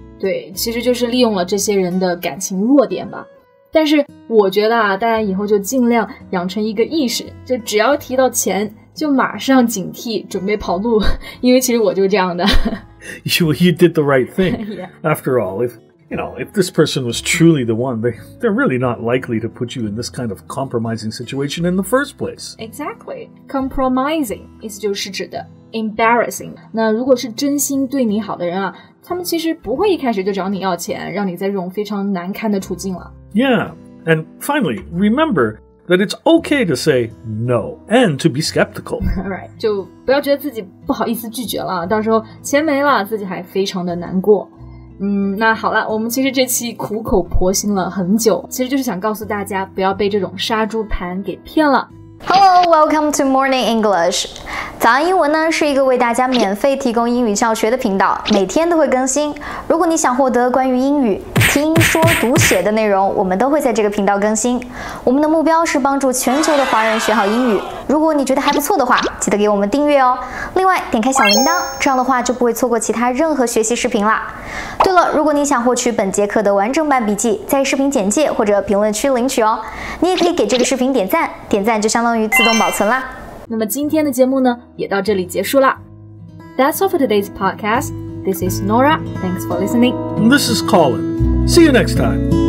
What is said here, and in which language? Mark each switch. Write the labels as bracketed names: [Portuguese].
[Chinese] 对，其实就是利用了这些人的感情弱点吧。但是我觉得啊，大家以后就尽量养成一个意识，就只要提到钱，就马上警惕，准备跑路，因为其实我就这样的。 [English] You did the right thing. Yeah. After all, if this person was truly the one, they're really not likely to put you in this kind of compromising situation in the first place. Exactly. Compromising is [Chinese] 就是指的 [English] embarrassing. [Chinese] 那如果是真心对你好的人啊，他们其实不会一开始就找你要钱，让你在这种非常难堪的处境了。 [English] Yeah. And finally, remember that it's okay to say no and to be skeptical. [Chinese] Alright, 就不要觉得自己不好意思拒绝了，到时候钱没了自己还非常的难过。那好了，我们其实这期苦口婆心了很久，其实就是想告诉大家不要被这种杀猪盘给骗了。 [English] Hello, welcome to Morning English. [Chinese] 早安英文呢是一个为大家免费提供英语教学的频道，每天都会更新。如果你想获得关于英语听说读写的内容，我们都会在这个频道更新。我们的目标是帮助全球的华人学好英语。如果你觉得还不错的话，记得给我们订阅哦。另外点开小铃铛，这样的话就不会错过其他任何学习视频啦。对了，如果你想获取本节课的完整版笔记，在视频简介或者评论区领取哦。你也可以给这个视频点赞，点赞就相当于自动保存啦。那么今天的节目呢也到这里结束了。 [English] That's all for today's podcast. This is Nora. Thanks for listening. This is Colin. See you next time.